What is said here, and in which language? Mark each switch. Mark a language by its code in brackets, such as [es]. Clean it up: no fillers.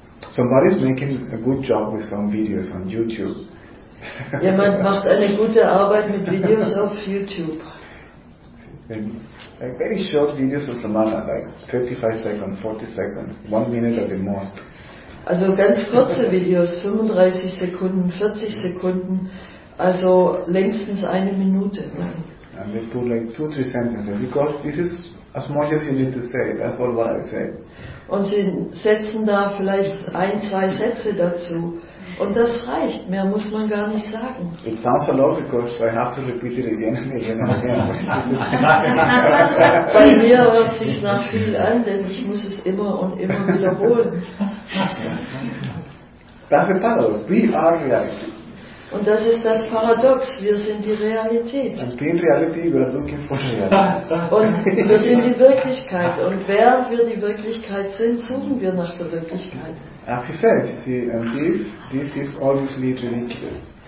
[en] Somebody's making a good job with some videos on YouTube. [de] Jemand macht eine gute Arbeit mit Videos auf YouTube. [en] Like very short videos of Ramana, like 35 seconds, 40 seconds, 1 minute at the most. [de] Also ganz kurze Videos, 35 Sekunden, 40 Sekunden, also längstens eine Minute. [en] Yeah. And they put like 2-3 sentences, because this is as much as you need to say, that's all what I say. [de] Und sie setzen da vielleicht 1-2 Sätze dazu. Und das reicht, mehr muss man gar nicht sagen. [en] It sounds a lot because I have to repeat it again and again and again. [de] Bei mir hört sich nach viel an, denn ich muss es immer und immer wiederholen. [en] That's a paradox. We are reality. [de] Und das ist das Paradox. Wir sind die Realität. [en] And being reality, we are looking for reality. [de] Und wir sind die Wirklichkeit. Und während wir die Wirklichkeit sind, suchen wir nach der Wirklichkeit. [en] As he says, you see, and this is obviously ridiculous.